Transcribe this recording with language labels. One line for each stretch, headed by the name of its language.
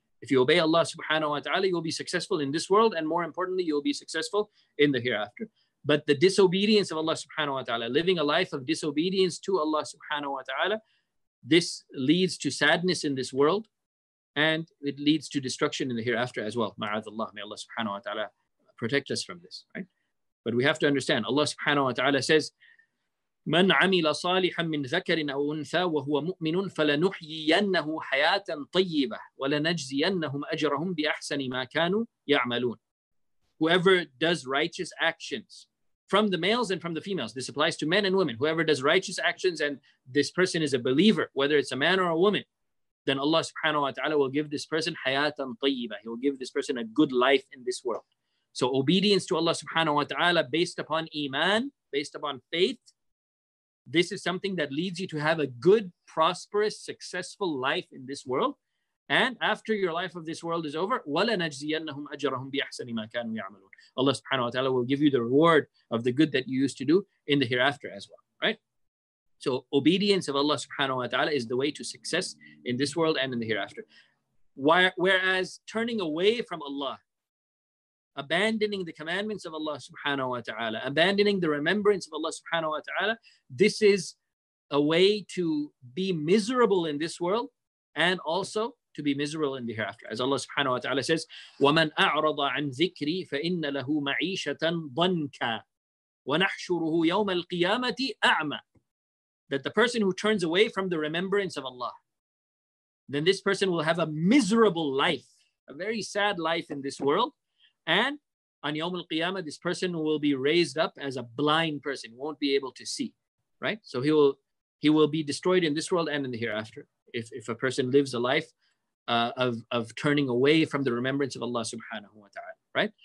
English: If you obey Allah subhanahu wa ta'ala, you'll be successful in this world, and more importantly, you'll be successful in the hereafter. But the disobedience of Allah subhanahu wa ta'ala, living a life of disobedience to Allah subhanahu wa ta'ala, this leads to sadness in this world, and it leads to destruction in the hereafter as well. Ma'adhallah, may Allah subhanahu wa ta'ala protect us from this, right? But we have to understand, Allah subhanahu wa ta'ala says,
Arabic: مَنْ عَمِلَ صَالِحًا مِّنْ ذَكَرٍ أَوْ أُنْثَى وَهُوَ مُؤْمِنٌ فَلَنُحْيِيَنَّهُ حَيَاةً طَيِّبَةً وَلَنَجْزِيَنَّهُمْ أَجْرَهُمْ بِأَحْسَنِ مَا كَانُوا يَعْمَلُونَ.
English: Whoever does righteous actions, from the males and from the females, this applies to men and women, whoever does righteous actions and this person is a believer, whether it's a man or a woman, then Allah subhanahu wa ta'ala will give this person hayatan tayyibah. He will give this person a good life in this world. So obedience to Allah subhanahu wa ta'ala based upon iman, based upon faith, this is something that leads you to have a good, prosperous, successful life in this world. And after your life of this world is over,
Arabic: وَلَنَجْزِيَنَّهُمْ أَجْرَهُمْ بِأَحْسَنِ مَا كَانُوا يَعْمَلُونَ.
English: Allah subhanahu wa ta'ala will give you the reward of the good that you used to do in the hereafter as well, right? So obedience of Allah subhanahu wa ta'ala is the way to success in this world and in the hereafter. Whereas turning away from Allah, abandoning the commandments of Allah subhanahu wa ta'ala, abandoning the remembrance of Allah subhanahu wa ta'ala, this is a way to be miserable in this world and also to be miserable in the hereafter. As Allah subhanahu wa ta'ala says,
Arabic: وَمَنْ أَعْرَضَ عَنْ ذِكْرِي فَإِنَّ لَهُ مَعِيشَةً ضَنْكَ وَنَحْشُرُهُ يَوْمَ الْقِيَامَةِ أَعْمَى.
English: That the person who turns away from the remembrance of Allah, then this person will have a miserable life, a very sad life in this world. And on Yawm al-Qiyamah, this person will be raised up as a blind person, won't be able to see, right? So he will be destroyed in this world and in the hereafter if a person lives a life of turning away from the remembrance of Allah subhanahu wa ta'ala, right?